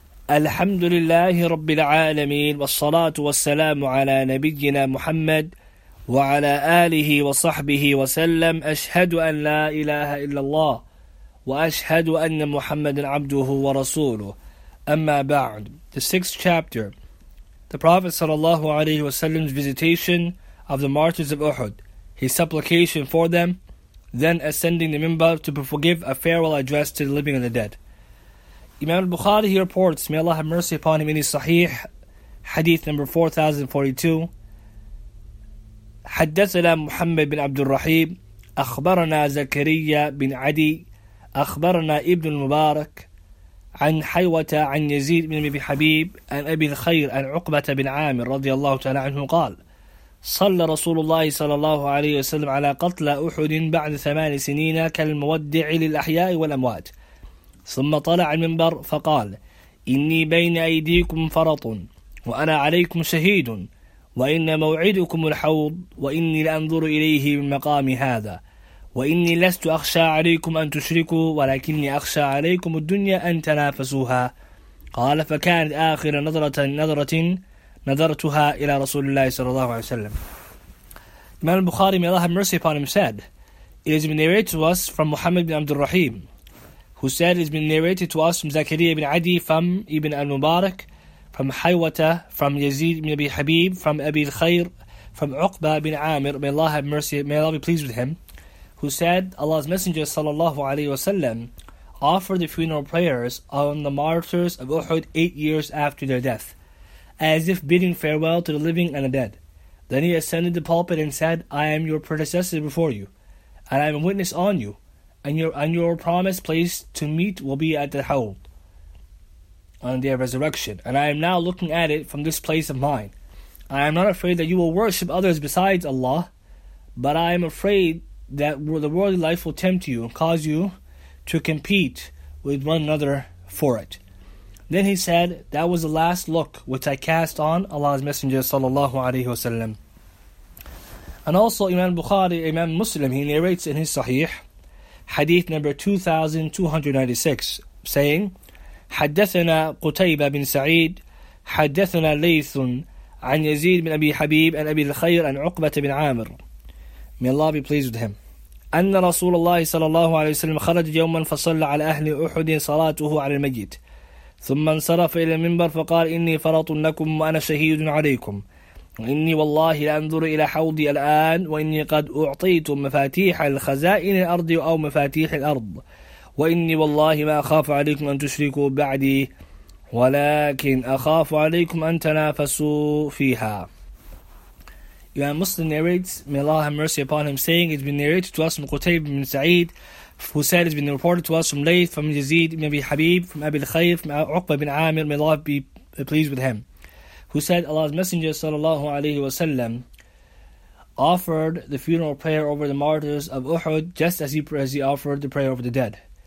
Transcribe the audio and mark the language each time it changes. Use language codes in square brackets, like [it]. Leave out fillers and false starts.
[ar] الحمد لله رب العالمين، والصلاة والسلام على نبينا محمد وعلى آله وصحبه وسلم. أشهد أن لا إله إلا الله وأشهد أن محمد عبده ورسوله. أما بعد، [en] the sixth chapter, the Prophet [ar] صلى الله عليه وسلم's [en] visitation of the martyrs of Uhud, his supplication for them, then ascending the minbar to forgive a farewell address to the living and the dead. Imam al-Bukhari, he reports, may Allah have mercy upon him, in his Sahih, Hadith number 4042, [ar] حدثنا محمد بن عبد الرحيم أخبرنا زكريا بن عدي أخبرنا ابن المبارك عن حيوة عن يزيد بن أبي حبيب عن أبي الخير عن عقبة بن عامر رضي الله تعالى عنه قال صلى رسول الله صلى الله عليه وسلم على قتلى أحد بعد 8 سنين كالمودع للأحياء والأموات، ثم طلع المنبر فقال إني بين أيديكم فرط وأنا عليكم شهيد، وإن موعدكم الحوض وإني لأنظر إليه من مقام هذا، وإني لست أخشى عليكم أن تشركوا، ولكني أخشى عليكم الدنيا أن تنافسوها. قال فكانت آخر نظرة نظرتها إلى رسول الله صلى الله عليه وسلم. [en] Imam al-Bukhari, may Allah have mercy upon him, said, it has been narrated to us from Muhammad bin Abdul Rahim, who said, it has been narrated to us from Zakariya bin Adi, from Ibn al-Mubarak, from Haywata, from Yazid bin Abi Habib, from Abi al-Khair, from Uqba bin Amir, may Allah have mercy, may Allah be pleased with him, who said, Allah's Messenger sallallahu alayhi wa sallam offered the funeral prayers on the martyrs of Uhud 8 years after their death, as if bidding farewell to the living and the dead. Then he ascended the pulpit and said, I am your predecessor before you, and I am a witness on you, and your promised place to meet will be at the Hawd on the day of resurrection, and I am now looking at it from this place of mine. I am not afraid that you will worship others besides Allah, but I am afraid that the worldly life will tempt you and cause you to compete with one another for it. Then he said, that was the last look which I cast on Allah's Messenger sallallahu alayhi wa sallam. And also Imam Bukhari, Imam Muslim, he narrates in his Sahih, Hadith number 2296, saying, [ar] حَدَّثَنَا قُتَيْبَ بِن سَعِيد حَدَّثَنَا لَيْثٌ عَنْ يَزِيد بِن أَبِي حَبِيب عَنْ أَبِي الْخَيْرِ عَنْ عُقْبَةَ بِن عَامِرٍ. [en] May Allah be pleased with him. [ar] أَنَّ رَسُولَ اللَّهِ سَلَّلَّهُ عَلَيْهِ وَسَلَّمَ خَرَجَ يَوْمًا فَصَلَّ عَلَى أَهْلِ أُحُدٍ صَلَاتُهُ عَلَى الْمَيِّتِ ثم انصرف إلى المنبر فقال إني فرط لكم وأنا شهيد عليكم، وإني والله لأنظر إلى حوضي الآن، وإني قد أعطيت مفاتيح الخزائن الأرض أو مفاتيح الأرض، وإني والله ما أخاف عليكم أن تشركوا بعدي، ولكن أخاف عليكم أن تنافسوا فيها. [en] Imam Muslim narrates, may Allah have mercy upon him, saying, it's been narrated to us from Qutayb ibn Sa'id, who said, it's been reported to us from Layth, from Yazid ibn Abi Habib, from Abi al-Khayr, from Uqba ibn Amir, may Allah be pleased with him, who said, Allah's Messenger sallallahu alayhi wa sallam offered the funeral prayer over the martyrs of Uhud just as he offered the prayer over the dead.